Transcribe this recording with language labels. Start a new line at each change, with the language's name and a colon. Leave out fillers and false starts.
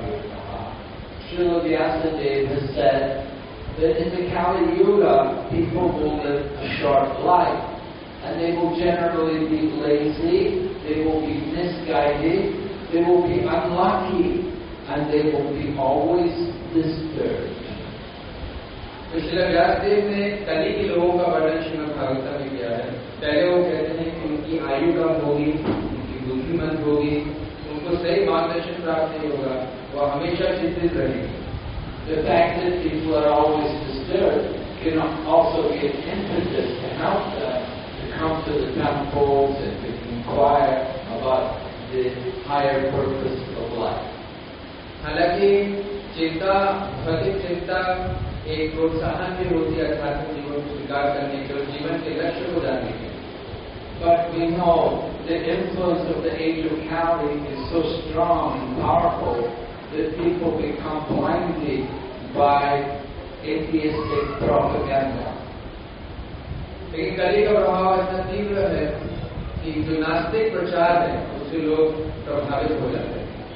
English: Srila Vyasadeva has said that in the Kali Yuga, people will live a short life, and they will generally be lazy, they will be misguided, they will be unlucky, and they will be always disturbed.
Hindi: तो श्री व्यासदेव ने कली के लोगों का वर्णन श्रीमद् भागवतम में किया है. पहले वो कहते हैं कि उनकी आयु कम होगी, उनकी बुद्धिमंद होगी, उनको सही मार्गदर्शन प्राप्त नहीं होगा, वो हमेशा चिंतित रहेंगे.
English: The fact that people are always disturbed can also be an impetus to help them to come to the temples and to inquire about the higher purpose of life.
Hindi: हालांकि चिंता भौतिक चिंता एक प्रोत्साहन भी होती है अर्थात जीवन को स्वीकार करने के और जीवन के लक्ष्य को जानने के.
English: But we know the influence of the age of Kali is so strong and powerful that people become blinded by atheistic propaganda.
Hindi: लेकिन कली का प्रभाव इतना तीव्र है कि जो नास्तिक प्रचार है उससे लोग प्रभावित हो जाते हैं.